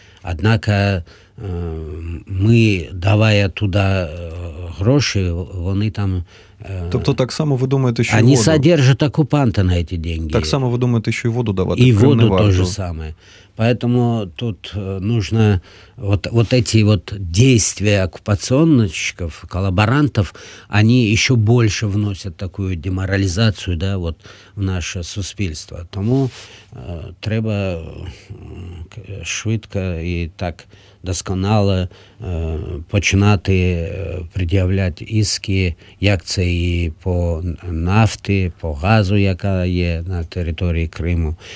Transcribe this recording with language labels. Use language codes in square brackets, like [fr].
[ru] Однако мы, давая туда гроши, они там... [uk] Тобто так само ви думаєте, що вони содержать окупанта на ці гроші. Так само ви думаєте, що і воду давати. І воду теж саме. [ru] Поэтому тут нужно вот эти вот действия оккупационщиков, коллаборантов, они ещё больше вносят такую деморализацию, да, вот в наше суспільство. [uk] Тому треба швидко і так досконало починати пред'являти іски, як це і по нафті, по газу, яка є на території Криму,